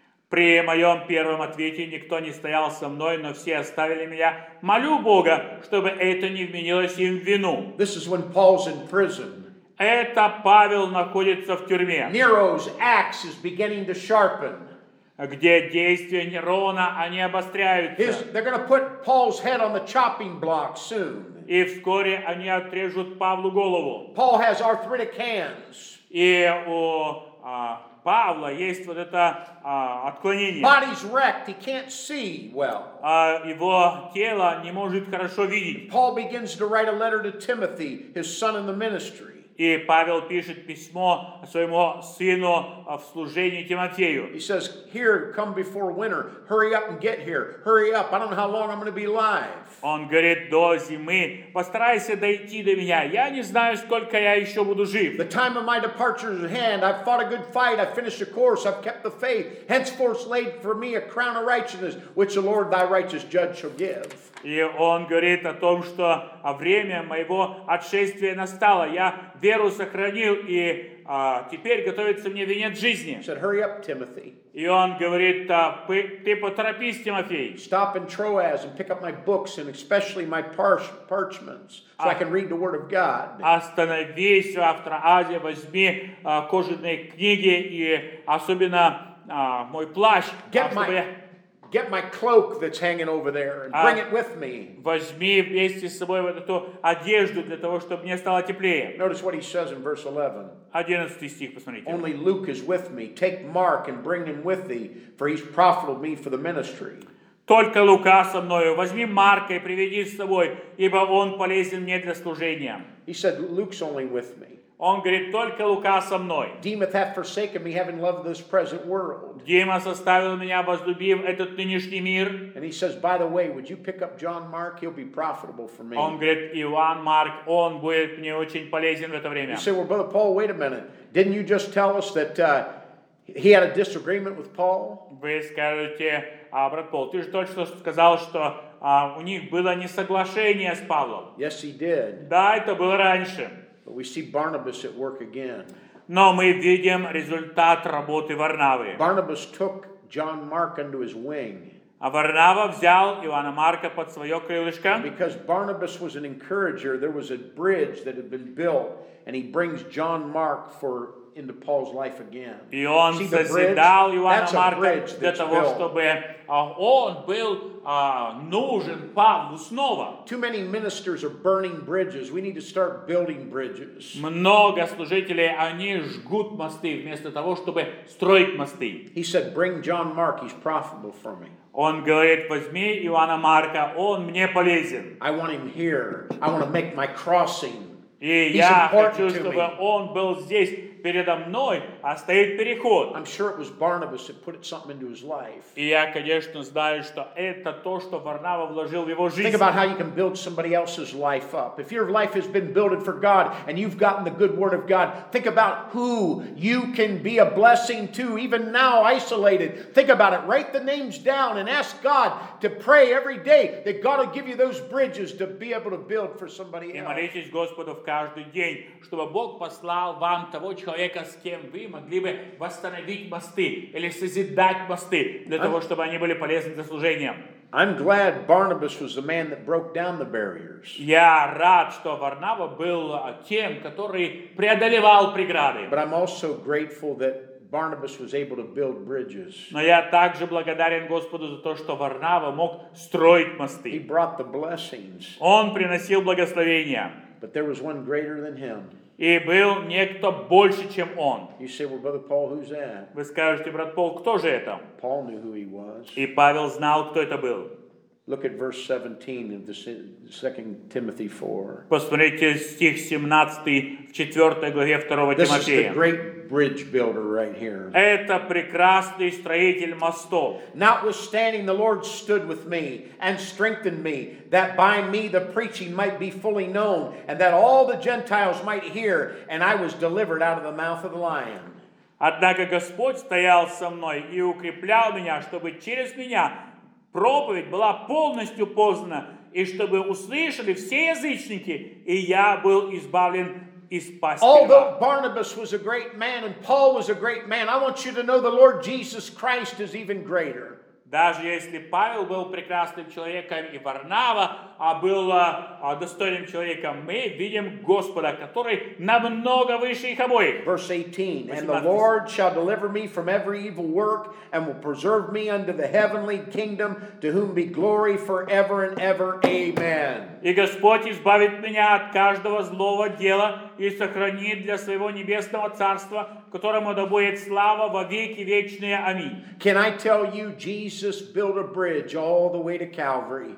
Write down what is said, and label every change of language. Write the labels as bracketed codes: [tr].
[ru] При моем первом ответе никто не стоял со мной, но все оставили меня. Молю Бога, чтобы это не вменилось им в вину. [en] This is when Paul's in prison. [ru] Это Павел находится в тюрьме. [en] Nero's axe is beginning to sharpen. [ru] Где действия Нерона, они обостряются. [en] They're going to put Paul's head on the chopping block soon. [ru] И вскоре они отрежут Павлу голову. [en] Paul has arthritic hands. [ru] И у Павла есть вот это отклонение. [en] Body's wrecked, he can't see well. [ru] Его тело не может хорошо видеть. [en] Paul begins to write a letter to Timothy, his son in the ministry. [ru] И Павел пишет письмо своему сыну в служении Тимофею. [en] He says, "Here, come before winter. Hurry up and get here. Hurry up. I don't know how long I'm going to be alive." [ru] Он говорит, до зимы постарайся дойти до меня. Я не знаю, сколько я еще буду жив. [en] The time of my departure is at hand. I've fought a good fight. I've finished a course. I've kept the faith. Henceforth laid for me a crown of righteousness, which the Lord, thy righteous judge, shall give. [ru] И он говорит о том, что время моего отшествия настало. Я веру сохранил, и теперь готовится мне венец жизни. [en] Said, hurry up, Timothy. [ru] И он говорит, ты поторопись, Тимофей. [en] Stop in Troas and pick up my books and especially my parchments so I can read the word of God. [ru] Остановись в Троасе, возьми кожаные книги и особенно мой плащ, чтобы... [en] Get my cloak that's hanging over there and bring it with me. [ru] Возьми вместе с собой вот эту одежду для того, чтобы мне стало теплее. [en] Notice what he says in verse 11. [ru] 11 стих, посмотрите. [en] Only Luke is with me. Take Mark and bring him with thee, for he's profitable me for the ministry. [ru] Только Лука со мною. Возьми Марка и приведи с собой, ибо он полезен мне для служения. [en] He said, Luke's only with me. [ru] Он говорит, только Лука со мной. [en] Demas hath forsaken me, having loved this present world. [ru] Демас оставил меня, возлюбив этот нынешний мир. [en] And he says, by the way, would you pick up John Mark? He'll be profitable for me. [ru] Он говорит, Иван Марк, он будет мне очень полезен в это время. [en] You say, well, brother Paul, wait a minute. Didn't you just tell us that he had a disagreement with Paul? [ru] Вы скажете, брат Пол, ты же только что сказал, что у них было несоглашение с Павлом. [en] Yes, he did. [ru] Да, это было раньше. [en] But we see Barnabas at work again. [ru] Но мы видим результат работы Варнавы. [en] Barnabas took John Mark under his wing. [ru] А Варнава взял Ивана Марка под свое крылышко. [en] And because Barnabas was an encourager, there was a bridge that had been built, and he brings John Mark for into Paul's life again. [ru] И он созидал Ивана Марка для того, чтобы он был нужен Павлу снова. [en] Too many ministers are burning bridges. We need to start building bridges. [ru] Много служителей, они жгут мосты вместо того, чтобы строить мосты. [en] He said, bring John Mark, he's profitable for me. [ru] Он говорит, возьми Ивана Марка, он мне полезен. [en] I want him here. I want to make my crossing. [ru] И я хочу, чтобы он был здесь передо мной, а стоит переход. [en] I'm sure it was Barnabas that put something into his life. [ru] И я, конечно, знаю, что это то, что Варнава вложил в его жизнь. [en] Think about how you can build somebody else's life up. If your life has been built for God and you've gotten the good word of God, think about who you can be a blessing to, even now isolated. Think about it. Write the names down and ask God to pray every day that God will give you those bridges to be able to build for somebody else. [ru] И молитесь Господу в каждый день, чтобы Бог послал вам того человека, с кем вы могли бы восстановить мосты или созидать мосты для того, чтобы они были полезны для служения. [en] I'm glad Barnabas was the man that broke down the barriers. [ru] Я рад, что Варнава был тем, который преодолевал преграды. [en] But I'm also grateful that Barnabas was able to build bridges. [ru] Но я также благодарен Господу за то, что Варнава мог строить мосты. [en] He brought the blessings. [ru] Он приносил благословения. [en] But there was one greater than him. [ru] И был некто больше, чем он. [en] You say, well, brother Paul, who's that? [ru] Вы скажете, брат Пол, кто же это? [en] Paul knew who he was. [ru] И Павел знал, кто это был. [en] Look at verse 17 of the 2 Timothy 4. [ru] Посмотрите стих 17 в 4 главе 2 Тимофея. [en] This is the great bridge builder right here. [ru] Это прекрасный строитель мостов. [en] Notwithstanding, the Lord stood with me and strengthened me, that by me the preaching might be fully known, and that all the Gentiles might hear, and I was delivered out of the mouth of the lion. [ru] Однако Господь стоял со мной и укреплял меня, чтобы через меня проповедь была полностью познана, и чтобы услышали все язычники, и я был избавлен из пасти. [en] Although Barnabas was a great man and Paul was a great man, I want you to know the Lord Jesus Christ is even greater. [ru] Даже если Павел был прекрасным человеком и Варнава был достойным человеком, мы видим Господа, который намного выше их обоих. [en] Verse 18. And the Lord shall deliver me from every evil work and will preserve me unto the heavenly kingdom, to whom be glory forever and ever. Amen. [ru] И Господь избавит меня от каждого злого дела и сохранит для своего небесного царства, которому да будет слава во веки вечные. Аминь. [en] Can I tell you, Jesus built a bridge all the way to Calvary.